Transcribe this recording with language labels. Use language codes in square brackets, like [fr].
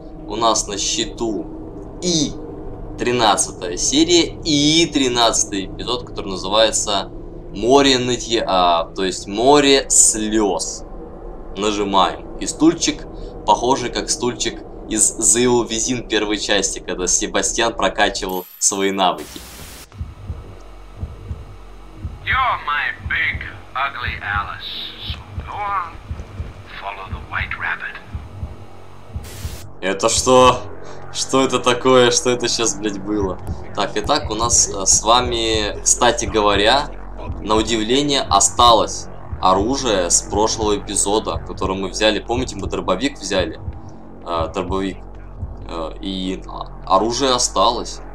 [ru] У нас на счету и 13-я серия, и 13-й эпизод, который называется «Море нытья», то есть «Море слез». Нажимаем. И стульчик, похожий как стульчик из The Evil Within первой части, когда Себастьян прокачивал свои навыки. [en] You're my big ugly Alice, so go on, follow the white rabbit. [ru] Это что? Что это такое? Что это сейчас, блядь, было? Так, итак, у нас с вами, кстати говоря, на удивление осталось оружие с прошлого эпизода, которое мы взяли. Помните, мы дробовик взяли? Дробовик. И оружие осталось.